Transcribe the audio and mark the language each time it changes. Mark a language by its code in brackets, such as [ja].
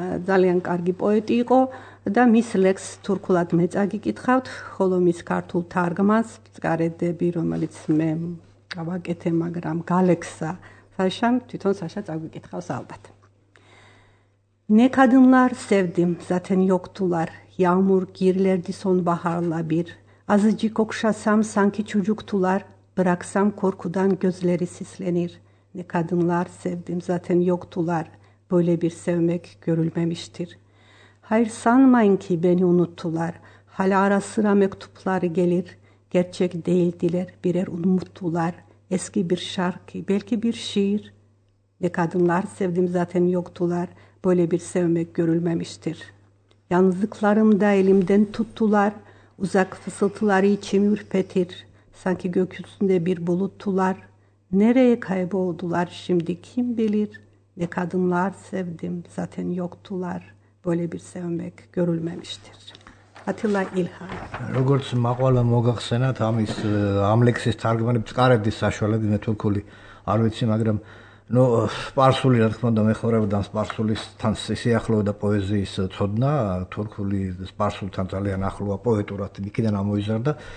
[ka] ძალიან კარგი პოეტი იყო და მის ლექსს თურქულად მე წაგიკითხავთ, ხოლო მის ქართულ თარგმანს, წკარედები, რომელიც მე გავაკეთე, მაგრამ გალექსა საშამ, თვითონ საშა წაგიკითხავს ალბათ. [tr] ნეკადნლარ სევდიმ ზათენ იოქთულარ, Yağmur girlerdi sonbaharla bir. Azıcık okşasam sanki çocuktular, bıraksam korkudan gözleri sislenir. Ne kadınlar sevdim zaten yoktular, böyle bir sevmek görülmemiştir. Hayır sanmayın ki beni unuttular, hala ara sıra mektuplar gelir. Gerçek değildiler, birer unuttular, eski bir şarkı, belki bir şiir. Ne kadınlar sevdim zaten yoktular, böyle bir sevmek görülmemiştir. Yalnızlıklarımda elimden tuttular, uzak fısıltıları içimi ürpetir. Sanki gökyüzünde bir buluttular, nereye kayboldular şimdi kim bilir. Ne kadınlar sevdim zaten yoktular, böyle bir sevmek görülmemiştir. Atilla İlhan. [ka] როგორც მაყვალა მოგახსენათ ამის ამლექსის თარგმანი წკარედი საშუალებით მე თურქული არ ვიცი, მაგრამ ну спарсули, რა თქმა უნდა, მეხორებდა სპარსულისთან სიახლოვდა პოეზიის ცოდნა, თურქული სპარსულთან ძალიან ახლოა პოეტურად, იქიდან ამოიზარდა.